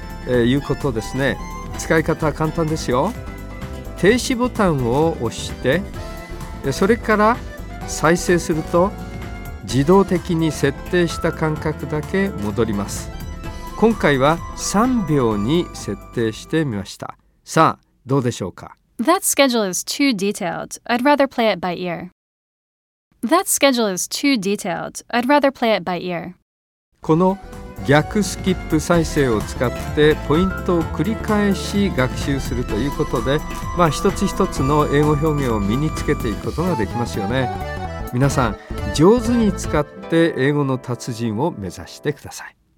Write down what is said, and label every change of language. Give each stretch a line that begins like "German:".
Japanese: いうことですね。使い方は簡単ですよ。停止ボタンを押して、それから再生すると自動的に設定した間隔だけ戻ります。今回は3秒に設定してみました。さあ、どうでしょうか。
English: That schedule is too detailed. I'd rather play it by ear. That schedule is too detailed. I'd rather play it by ear.
Japanese: この逆スキップ再生を使ってポイントを繰り返し学習するということで、一つ一つの英語表現を身につけていくことができますよね。皆さん、上手に使って英語の達人を目指してください。